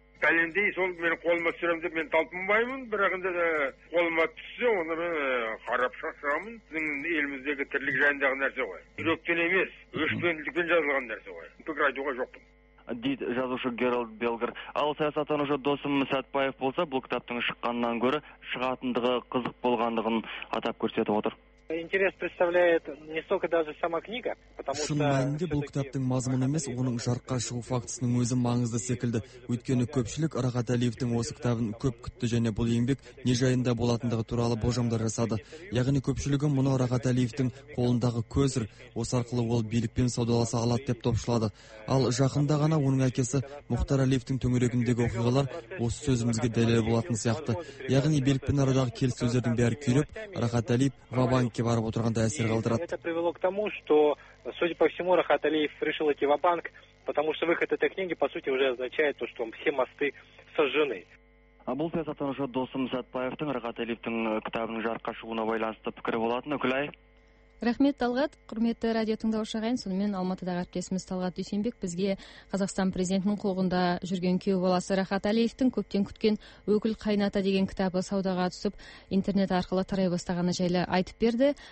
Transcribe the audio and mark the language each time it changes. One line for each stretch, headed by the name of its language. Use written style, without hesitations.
Kazakh: Бәлендей сол мен қолыма түсіремін деп мен талпынбаймын, бірақ енді қолыма түссе оны қарап шашамын. Біздің еліміздегі тірлік жайындағы нәрсе ғой, жүректен емес өшпенділікпен жазылған нәрсе ғой, пікір айтуға жоқпын дейді жазушы Герольд Бельгер. Ал саясаттанушы досым Сәтбаев болса, бұл кітаптың шыққаннан гөрі шығатындығы қызық болғандығын атап көрсетіп отыр.
Russian: Интерес представляет не столько даже сама книга, потому что...
Kazakh: Шынмәнінде бұл кітаптың мазмұны емес, оның жарқа шығу фактысының өзі маңызды секілді. Өйткені көпшілік Рахат Әлиевтің осы кітабын көп күтті және бұл еңбек не жайында болатындығы туралы болжамдар жасады. Яғни көпшілігі мұны Рахат Әлиевтің қолындағы көзір, осы арқылы ол билікпен саудаласа алады деп топшылады. Ал жақында ғана оның әкесі Мұхтар Әлиевтің төңірегіндегі оқиғалар осы сөзімізге дәлел болатын сияқты. Яғни билікпен арадағы келіссөздердің бәрі күйреп, Рахат Әлиев ва-банкке барып отырғанда әсер қалдырады.
Russian: Это привело к тому, что, судя по всему, Рахат Әлиев решил идти ва-банк, потому что выход этой книги, по сути, уже означает то, что все мосты сожжены.
Kazakh: Бұл саясаттан ұшы досым Сәтбаевтың Рахат Әлиевтің кітабының жарыққа шығуына байланысты пікірі болатын. Үкілай. Рахмет, Талғат. Құрметті радио тыңдаушы ағайын, сонымен Алматыдағы әріптесіміз Талғат Дүйсенбек бізге Қазақстан президентінің қолында жүрген күйеу баласы Рахат Әлиевтің көптен күткен «Өкіл қайната» деген кітабы саудаға түсіп, интернет арқылы тарай бастағаны жайлы айтып берді.